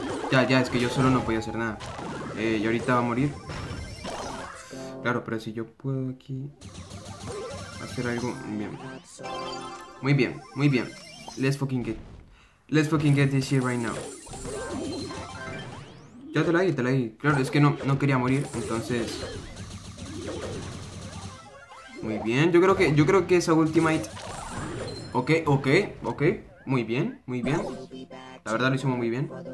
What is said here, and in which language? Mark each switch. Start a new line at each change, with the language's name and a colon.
Spanish: Ya, es que yo solo no podía hacer nada. Y ahorita va a morir. Claro, pero si yo puedo aquí hacer algo. Bien. Muy bien, muy bien.
English: Let's fucking get this shit right now.
Spanish: Ya te la di. Claro, es que no quería morir, entonces. Muy bien, yo creo que esa ultimate. Ok. Muy bien, muy bien. La verdad lo hicimos muy bien.